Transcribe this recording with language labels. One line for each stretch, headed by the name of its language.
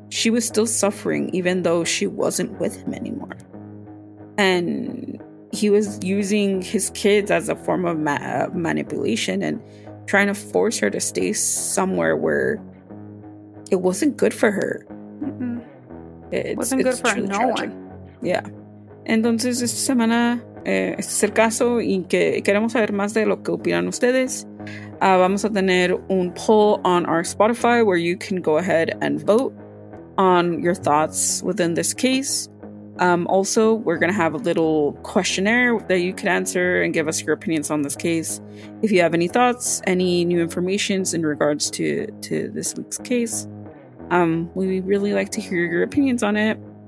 English: She was still suffering, even though she wasn't with him anymore. And he was using his kids as a form of manipulation and trying to force her to stay somewhere where it wasn't good for her. It wasn't good for no one. Yeah.
Spanish: Entonces, esta semana, este es el caso, y que queremos saber más de lo que opinan ustedes. Vamos a tener un
English: poll on our Spotify where you can go ahead and vote on your thoughts within this case. Also, we're going to have a little questionnaire that you can answer and give us your opinions on this case. If you have any thoughts, any new information in regards to this week's case, we really like to hear your opinions on it.